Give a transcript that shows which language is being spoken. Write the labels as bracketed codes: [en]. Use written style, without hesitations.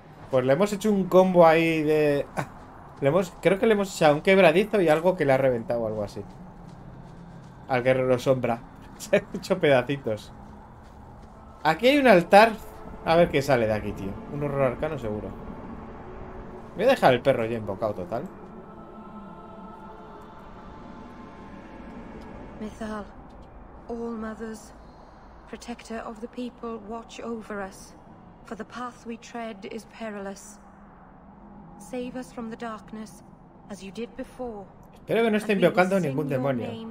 [es] Pues le hemos hecho un combo ahí de... Creo que le hemos echado un quebradizo y algo que le ha reventado o algo así. Al guerrero sombra. Se han hecho pedacitos. Aquí hay un altar. A ver qué sale de aquí, tío. Un horror arcano seguro. Voy a dejar el perro ya invocado total. [en] Mithal, all mothers, protector of the people, watch over us. For the path we tread is perilous. Save us from the darkness, as you did before. [es] Espero que no esté invocando ningún demonio.